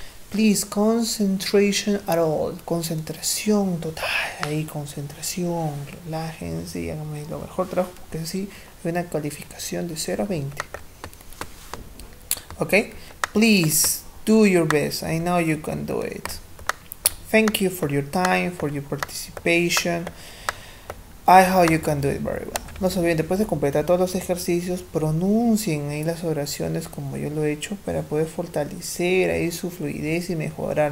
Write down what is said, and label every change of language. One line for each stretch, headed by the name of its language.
English: Please, concentration at all.
Spanish: Concentración total. Ahí, concentración. Relájense y háganme lo mejor trabajo. Porque así hay una calificación de 0 a 20. Ok. Please,
English: Do your best. I know you can do it. Thank you for your time, for your participation. I hope you can do it very well.
Spanish: No se olviden, después de completar todos los ejercicios, pronuncien ahí las oraciones como yo lo he hecho para poder fortalecer ahí su fluidez y mejorar.